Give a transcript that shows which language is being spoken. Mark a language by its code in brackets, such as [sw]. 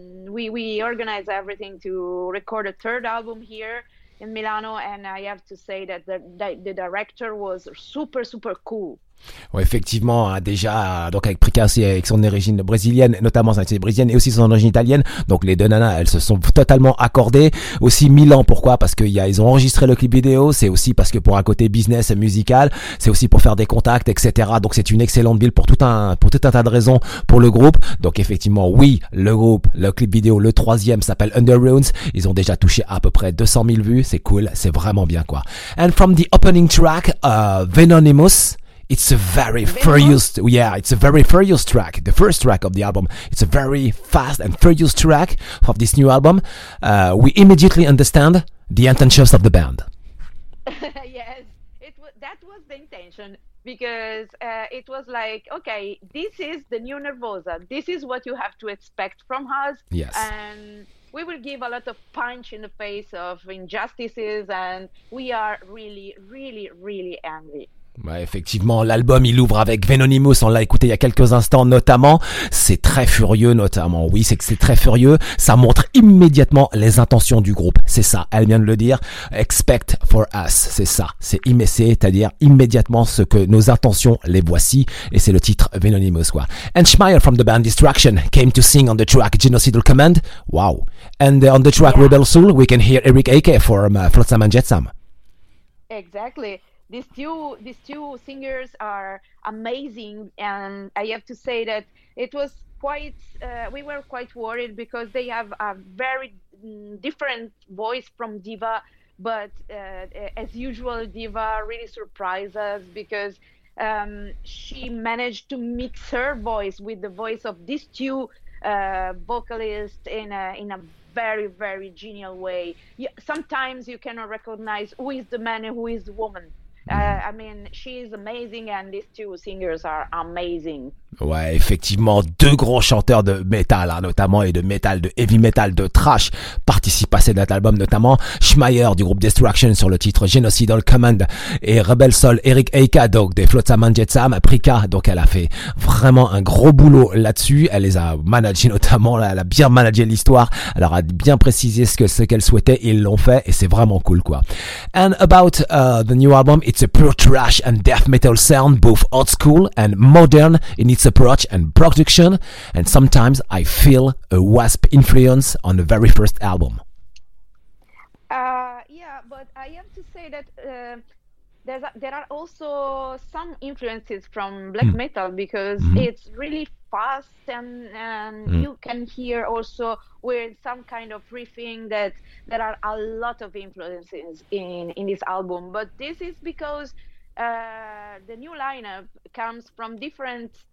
[en] We organized everything to record a third album here in Milano, and I have to say that the director was super super cool. [fr] Ouais, effectivement, déjà, donc avec Prika, avec son origine brésilienne, notamment son origine brésilienne, et aussi son origine italienne, donc les deux nanas, elles se sont totalement accordées. Aussi Milan, pourquoi? Parce qu'ils ont enregistré le clip vidéo, c'est aussi parce que pour un côté business musical, c'est aussi pour faire des contacts, etc. Donc c'est une excellente ville pour tout un tas de raisons pour le groupe. Donc effectivement, oui, le groupe, le clip vidéo, le troisième s'appelle Under Ruins. Ils ont déjà touché à peu près 200 000 vues, c'est cool, c'est vraiment bien, quoi. [en] And from the opening track, Venonymous. It's a very furious, yeah, it's a very furious track, the first track of the album. It's a very fast and furious track of this new album. We immediately understand the intentions of the band. Yes, that was the intention, because it was like, okay, this is the new Nervosa. This is what you have to expect from us. Yes. And we will give a lot of punch in the face of injustices, and we are really, really, really angry. [fr] Ouais, effectivement, l'album, il ouvre avec Venonymous, on l'a écouté il y a quelques instants, notamment. C'est très furieux, notamment. Oui, c'est que c'est très furieux. Ça montre immédiatement les intentions du groupe. C'est ça. Elle vient de le dire. [en] Expect for us. [fr] C'est ça. C'est c'est-à-dire immédiatement ce que nos intentions, les voici. Et c'est le titre Venonymous, quoi. [en] And Schmeier from the band Destruction came to sing on the track Genocidal Command. Wow. And on the track Rebel Soul, we can hear Eric Ake from Flotsam and Jetsam. Exactly. These two singers are amazing, and I have to say that it was quite, we were quite worried because they have a very different voice from Diva, but as usual, Diva really surprised us because she managed to mix her voice with the voice of these two vocalists in a very, very genial way. Sometimes you cannot recognize who is the man and who is the woman. I mean, she is amazing and these two singers are amazing. [fr] Ouais, effectivement, deux gros chanteurs de métal, hein, notamment, et de métal, de heavy metal, de thrash, participent à cet album, notamment Schmeier du groupe Destruction sur le titre Genocidal Command et Rebel Soul Eric Eika, donc des Flotsam and Jetsam, Prika, donc elle a fait vraiment un gros boulot là-dessus, elle les a managés notamment, elle a bien managé l'histoire, elle a bien précisé ce qu'elle souhaitait, ils l'ont fait, et c'est vraiment cool, quoi. [en] And about the new album, it's a pure thrash and death metal sound, both old school and modern, in its approach and production, and sometimes I feel a Wasp influence on the very first album. Yeah, but I have to say that there are also some influences from black metal because it's really fast and you can hear also with some kind of riffing that there are a lot of influences in this album, but this is because the new lineup comes from different